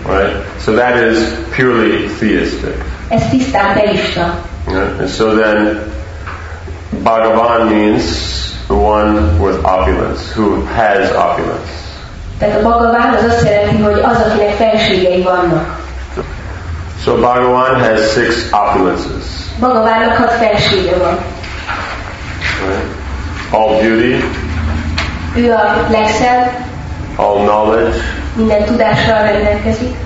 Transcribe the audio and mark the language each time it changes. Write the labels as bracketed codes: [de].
[en] Right? So that is purely theistic. [hu] Ez tisztán teista. [en] And so then, Bhagavan means the one with opulence, who has opulence. [hu] Tehát a Bhagavan az azt jelenti, hogy az, akinek felségei vannak. [en] So Bhagavan has six opulences. [hu] Bhagavannak hat felsége van. [en] Right? All beauty. [hu] Ő a legszebb. [en] All knowledge. [hu] Minden tudással rendelkezik.